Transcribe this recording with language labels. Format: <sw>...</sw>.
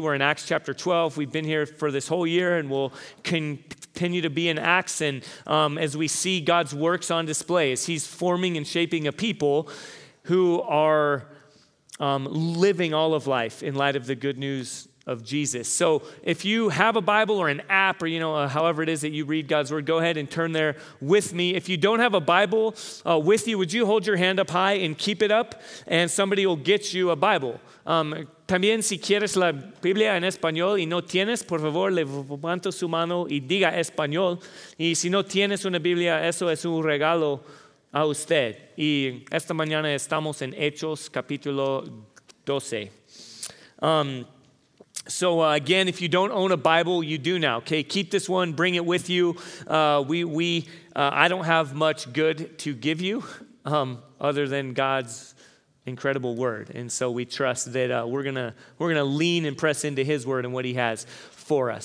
<en>We're in Acts chapter 12. We've been here for this whole year, and we'll continue to be in Acts, and as we see God's works on display, as he's forming and shaping a people who are living all of life in light of the good news of Jesus. So if you have a Bible or an app or, you know, however it is that you read God's word, go ahead and turn there with me. If you don't have a Bible with you, would you hold your hand up high and keep it up, and somebody will get you a Bible.</en> <es>También si quieres la Biblia en español y no tienes, por favor, levanto su mano y diga español. Y si no tienes una Biblia, eso es un regalo a usted. Y esta mañana estamos en Hechos capítulo 12.</es> <en>Again, if you don't own a Bible, you do now, okay? Keep this one, bring it with you. I don't have much good to give you other than God's incredible word. And so we trust that we're gonna lean and press into his word and what he has for us.</en>